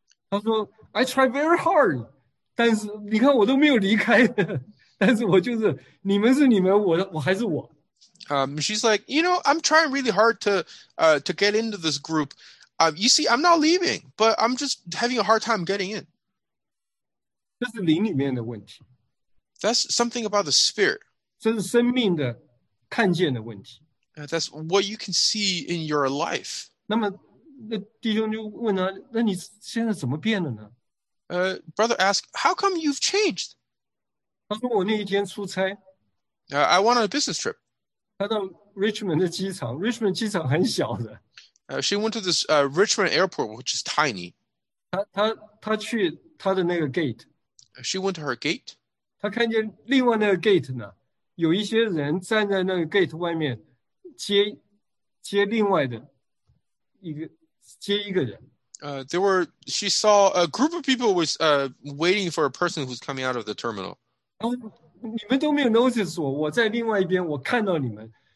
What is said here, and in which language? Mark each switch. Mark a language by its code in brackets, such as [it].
[zh] 他说, [en] I try very hard, [zh] 但是你看我都没有离开, 但是我就是,你们是你们, 我还是我。 [en] She's like, you know, I'm trying really hard to get into this group. You see, I'm not leaving, but I'm just having a hard time getting in. [zh] 这是灵里面的问题。 [en] That's something about the spirit. [zh] 这是生命的看见的问题。 [en] That's what you can see in your life. [zh] 那么弟兄就问他, 那你现在怎么变了呢? [en] Brother asked, how come you've changed? [zh] 他说我那一天出差, [en] I went on a business trip. [zh] 他到Richmond的机场, Richmond机场很小的。 [en] She went to this Richmond airport, which is tiny. [zh] 他去他的那个gate。 [en] She went to her gate. [zh] 他看见另外那个gate呢, 有一些人站在那个gate外面, 接另外的一个人。 [en] She saw a group of people was waiting for a person who's coming out of the terminal. [zh] 你们都没有notice我, 我在另外一边, 我看到你们。